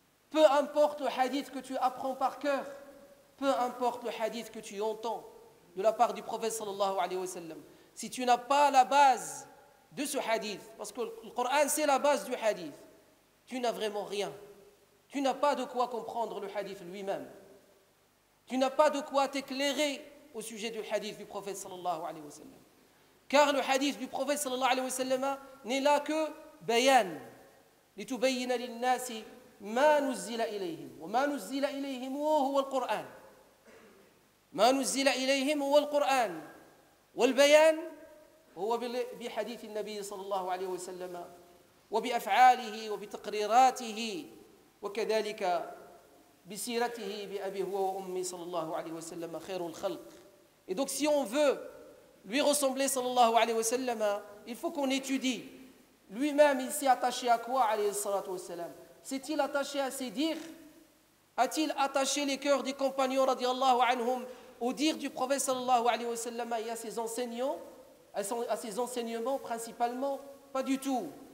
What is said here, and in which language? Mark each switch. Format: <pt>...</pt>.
<fr>Peu importe le hadith que tu apprends par cœur, peu importe le hadith que tu entends de la part du prophète sallallahu alayhi wa sallam, si tu n'as pas la base de ce hadith, parce que le Coran c'est la base du hadith, tu n'as vraiment rien. Tu n'as pas de quoi comprendre le hadith lui-même. Tu n'as pas de quoi t'éclairer au sujet du hadith du prophète sallallahu alayhi wa sallam. Car le hadith du prophète sallallahu alayhi wa sallam n'est là que bayan.</fr> <ar>لِتُبَيِّنَ لِلنَّاسِ مَا نُزِّلَ إِلَيْهِمْ وَمَا نُزِّلَ إِلَيْهِمْ وَهُوَ الْقُرْآنِ ما نزل إليهم هو القرآن والبيان هو بحديث النبي صلى الله عليه وسلم وبأفعاله وبتقريراته وكذلك بسيرته بأبي هو وأمي صلى الله عليه وسلم خير الخلق.</ar> <fr>Et donc si on veut lui ressembler</fr> <ar>صلى الله عليه وسلم,</ar> <fr>il faut qu'on étudie lui-même, il s'est attaché à quoi</fr> <ar>عليه الصلاة والسلام,</ar> <fr>s'est-il attaché à ses dires, a-t-il attaché les cœurs des compagnons</fr> <ar>رضي الله عنهم</ar> <fr>au dire du prophète sallallahu alayhi wa sallam et à ses enseignants, à ses enseignements principalement? Pas du tout.</fr>